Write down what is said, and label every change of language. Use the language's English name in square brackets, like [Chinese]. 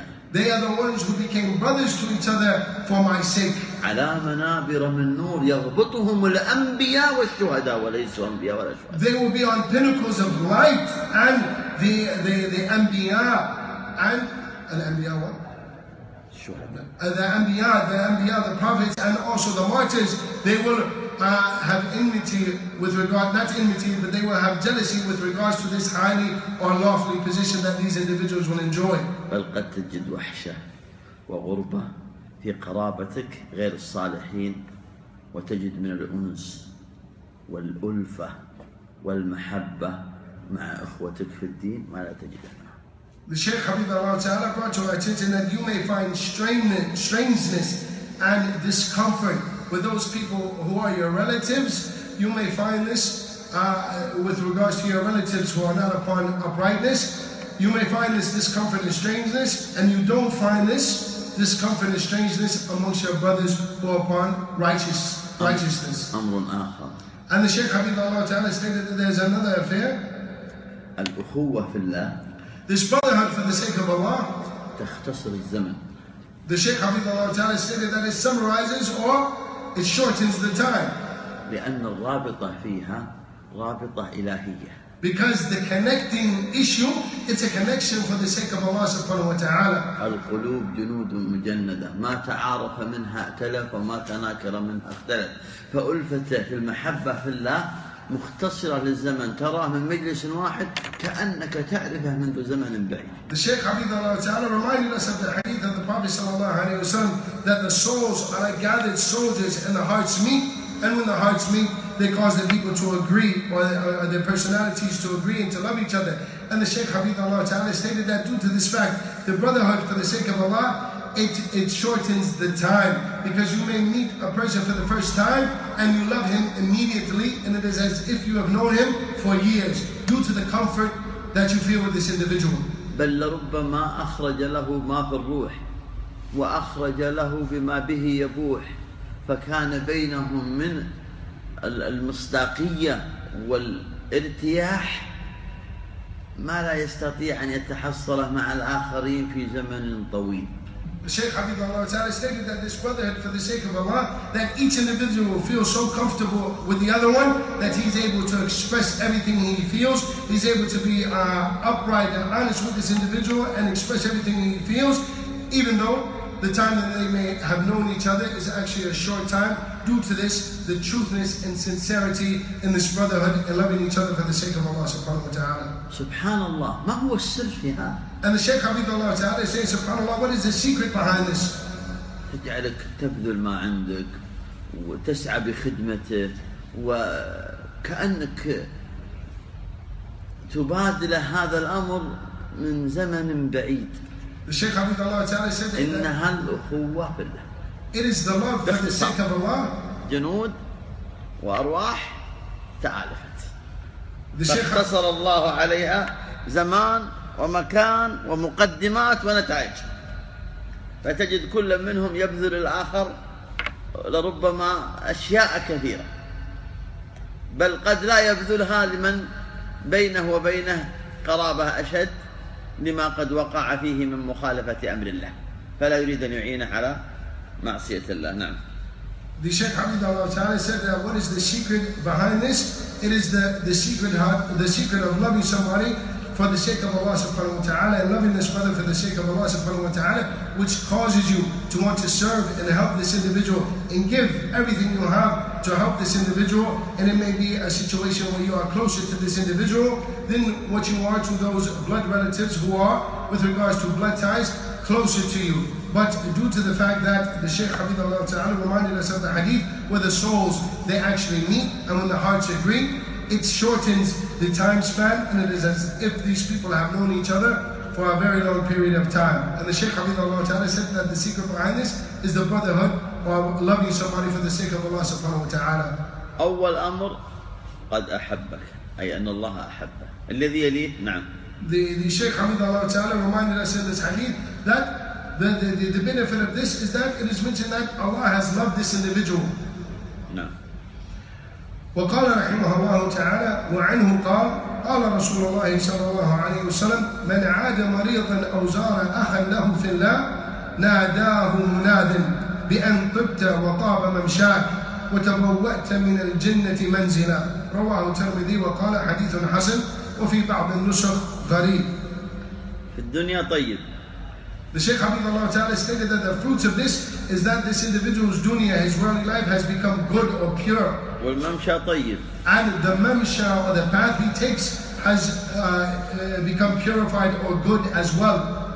[English] They are the ones who became brothers to each other for my sake. [Arabic] على منابر من نور يربطهم الأنبياء والشهداء وليس أنبياء ولا شهداء. [English] They will be on pinnacles of light and the أنبياء and الأنبياء [Arabic] والشهداء. [English] The أنبياء, the prophets and also the martyrs, they will have enmity with regard, not enmity, but they will have jealousy with regards to this highly or lawfully position that these individuals will enjoy. [Arabic] بل قد تجد وحشة وغربة في قرابتك غير الصالحين وتجد من الأنس والألفة والمحبة مع أخوتك في الدين ما لا تجد. [English] The Shaykh Habib Allah Ta'ala brought to our attention that you may find strangeness and discomfort with those people who are your relatives. You may find this with regards to your relatives who are not upon uprightness. You may find this discomfort and strangeness, and you don't find this discomfort and strangeness amongst your brothers who are upon righteousness. And the Shaykh Habib Allah Ta'ala stated that there's another affair. [Arabic] Al-ukhuwa fi Allah. [English] This brotherhood for the sake of Allah. [Arabic] تختصر الزمن. [English] The Shaykh Habib Allah Ta'ala stated that it summarizes or it shortens the time. [Arabic] لأن الرابطة فيها رابطة إلهية. [English] Because the connecting issue, it's a connection for the sake of Allah subhanahu wa ta'ala. [Arabic] القلوب جنود مجندة ما تعارف منها اختلف وما تناكر منها اختلف فألفته في المحبة في الله مختصرة للزمن تراه من مجلس واحد كأنك تعرفه منذ زمن بعيد. [English] The Shaykh Habib Allah Ta'ala reminded us of the hadith of the Prophet sallallahu alayhi wa sallam that the souls are like gathered soldiers and the hearts meet. And when the hearts meet, they cause the people to agree, or their personalities to agree and to love each other. And the Shaykh Habib Allah Ta'ala stated that due to this fact, the brotherhood for the sake of Allah, it shortens the time. Because you may meet a person for the first time, and you love him immediately, and it is as if you have known him for years, due to the comfort that you feel with this individual. [Arabic] بل لربما أخرج له ما في الروح وأخرج له بما به يبوح فكان بينهم من المصداقية والارتياح ما لا يستطيع أن يتحصل مع الآخرين في زمن طويل. [English] Shaykh Habib Allah Ta'ala stated that this brotherhood for the sake of Allah, that each individual will feel so comfortable with the other one that he's able to express everything he feels. He's able to be upright and honest with this individual and express everything he feels, even though the time that they may have known each other is actually a short time. Due to this, the truthness and sincerity in this brotherhood and loving each other for the sake of Allah subhanahu wa ta'ala. [Arabic] Subhanallah. ما هو السر في هذا؟ [English] And the Shaykh Habib Allah Ta'ala is saying, Subhanallah, what is the secret behind this? [Arabic] تجعلك تبذل ما عندك وتسعى بخدمته وكأنك تبادل هذا الأمر من زمن بعيد. [English] The Shaykh Habib Allah Ta'ala said that [Arabic] إنها الأخوة في الله. [English] It is the love for the sake of Allah. [Arabic] جنود وأرواح تآلفت. فاختصر الله عليها زمان ومكان ومقدمات ونتائج. فتجد كل منهم يبذل الآخر لربما أشياء كثيرة. بل قد لا يبذلها لمن بينه وبينه قرابة أشد لما قد وقع فيه من مخالفة أمر الله. فلا يريد أن يعينه على معصية الله. نعم. [English] The Shaykh Habib Allah Ta'ala said that what is the secret behind this? It is the secret of loving somebody for the sake of Allah subhanahu wa ta'ala and loving this brother for the sake of Allah subhanahu wa ta'ala, which causes you to want to serve and help this individual and give everything you have to help this individual. And it may be a situation where you are closer to this individual than what you are to those blood relatives who are, with regards to blood ties, closer to you. But due to the fact that the Shaykh Habib Allah Ta'ala reminded us of the hadith where the souls, they actually meet, and when the hearts agree, it shortens the time span, and it is as if these people have known each other for a very long period of time. And the Shaykh Habib Allah Ta'ala said that the secret behind this is the brotherhood of loving somebody for the sake of Allah subhanahu wa ta'ala. [Arabic] أول أمر قد أحبك أي أن الله أحبه الذي يليه. نعم. [English] The Shaykh Habib Allah Ta'ala reminded us in this hadith that the benefit of this is that it is mentioned that Allah has loved this individual. No. [Arabic] وقال رحمه الله تعالى وعنه قال قال رسول الله صلى الله عليه وسلم من عاد مريضا أو زار أخا له في الله ناداه مناد بأن طبت وطاب ممشاك وتبوأت من الجنة منزلا. رواه الترمذي وقال حديث حسن وفي بعض النسخ غريب. في الدنيا طيب. [English] The Shaykh Habibullah Ta'ala stated that the fruits of this is that this individual's dunya, his worldly life, has become good or pure. [Arabic] والممشى طيب. [English] And the mamsha or the path he takes has become purified or good as well.